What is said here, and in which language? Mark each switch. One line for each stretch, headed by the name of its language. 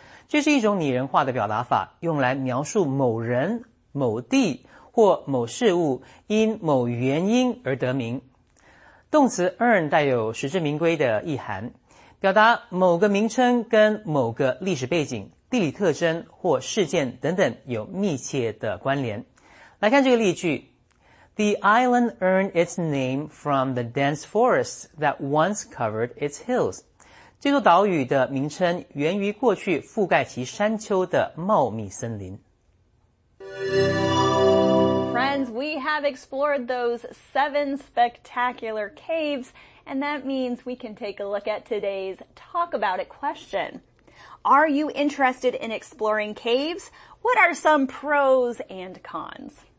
Chinese: 这是一种拟人化的表达法，用来描述某人、某地或某事物因某原因而得名。动词 earn 带有实至名归的意涵，表达某个名称跟某个历史背景、地理特征或事件等等有密切的关联。来看这个例句。
English: The island earned its name from the dense forests that once covered its hills.
Chinese: 这座岛屿的名称源于过去覆盖其山丘的茂密森林。
English: Friends, we have explored those 7 spectacular caves, and that means we can take a look at today's Talk About It question. Are you interested in exploring caves? What are some pros and cons?